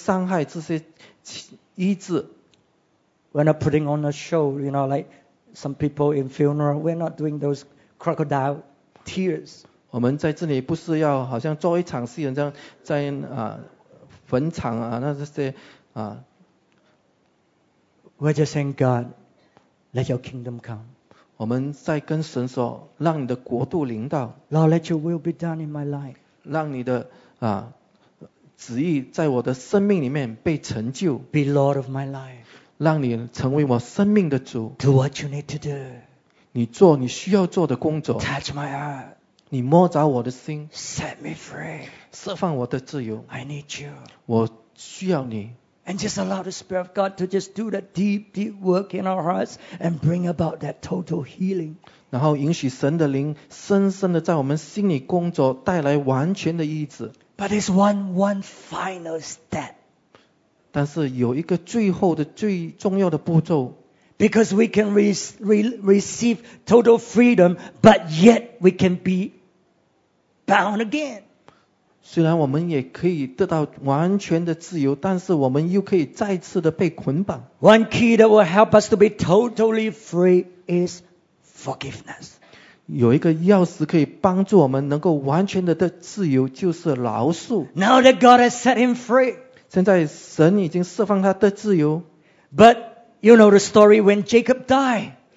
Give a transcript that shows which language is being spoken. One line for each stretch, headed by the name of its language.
Chinese: 是要看你今天早上是多么愿意敞开多少让神的灵来工作，来释放这些伤害，这些医治。
English: We're not putting on a show, you know, like some people in funeral. We're not doing those crocodile tears.
Chinese: 我们在这里不是要好像做一场戏，像在坟场啊那些啊。
English: We're just saying, God, let your kingdom come.
Chinese: 我们在跟神说，让你的国度临到。
English: Lord, let your will be done in my life.
Chinese: 让你的旨意在我的生命里面被成就。
English: Be Lord of my life.
Chinese: 让你成为我生命的主。
English: Do what you need to do.
Chinese: 你做你需要做的工作。
English: Touch my heart.
Chinese: 你摸着我的心。
English: Set me free.
Chinese: 释放我的自由。
English: I need you.
Chinese: 我需要你。
English: And just allow the Spirit of God to just do that deep, deep work in our hearts and bring about that total healing.
Chinese: 然后允许神的灵深深的在我们心里工作，带来完全的医治。
English: But it's one final step.
Chinese: 但是有一个最后的最重要的步骤。
English: Because we can receive total freedom, but yet we can be bound again.
Chinese: 虽然我们也可以得到完全的自由，但是我们又可以再次的被捆绑。
English: One key that will help us to be totally free is forgiveness.
Chinese: 有一个钥匙可以帮助我们能够完全的自由，就是饶恕。
English: Now that God has set him free.
Chinese: 现在神已经释放他的自由。
English: But you know the story when Jacob died.